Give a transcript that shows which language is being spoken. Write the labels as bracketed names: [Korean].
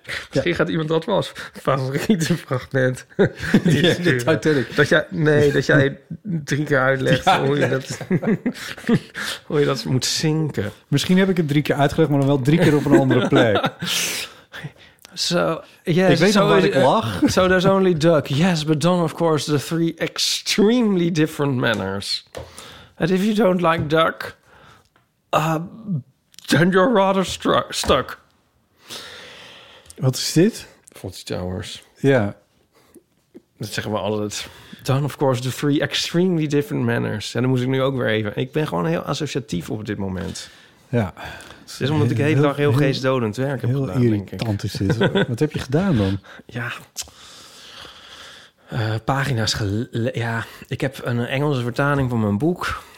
[Dutch] Misschien gaat iemand dat wel als favoriete fragment. Ja, de Titanic. Dat jij 3 keer uitlegt hoe je dat moet zinken. Misschien heb ik het 3 keer uitgelegd, maar dan wel 3 keer op een andere plek. [English] So, yes, [Dutch] ik weet [English] so [Dutch] nog waar ik lag. [English] So there's only duck. Yes, but then of course the 3 extremely different manners. And if you don't like duck, then you're rather stuck. [Dutch] Wat is dit? Fawlty Towers. Ja. Dat zeggen we altijd. [English] Dan, of course, the 3 extremely different manners. [Dutch] En dan moet ik nu ook weer even. Ik ben gewoon heel associatief op dit moment. Ja. Het is omdat ik de hele dag heel geestdodend werk heb gedaan, denk ik. Heel irritant is dit. Wat heb je gedaan dan? Ja. Pagina's ja, ik heb een Engelse vertaling van mijn boek.